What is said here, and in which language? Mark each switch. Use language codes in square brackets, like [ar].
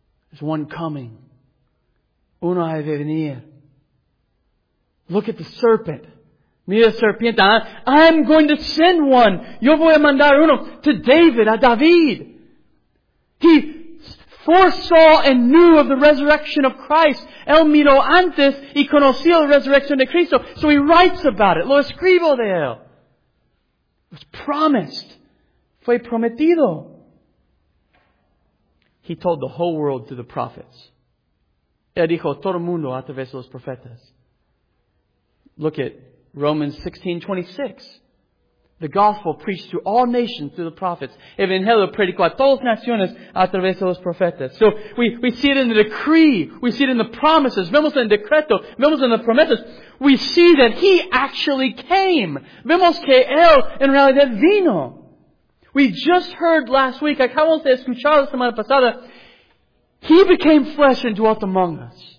[en] There's one coming. [es] Uno ha de venir. [en] Look at the serpent. [es] Mira serpiente. [en] I'm going to send one. [es] Yo voy a mandar uno. [en] To David, [es] a David. [en] He foresaw and knew of the resurrection of Christ. [es] Él miró antes y conoció la resurrección de Cristo. [en] So he writes about it. [es] Lo escribo de él. [en] It was promised. [es] Fue prometido. [en] He told the whole world through the prophets. [es] Él dijo todo el mundo a través de los profetas. [en] Look at Romans 16:26. The gospel preached to all nations through the prophets. [es] Evangelio predicó a todas naciones a través de los profetas. [en] So we see it in the decree. We see it in the promises. [es] Vemos en el decreto. Vemos en las promesas. [en] We see that He actually came. [es] Vemos que Él en realidad vino. [en] We just heard last week, [es] acabamos de escuchar la semana pasada, [en] He became flesh and dwelt among us.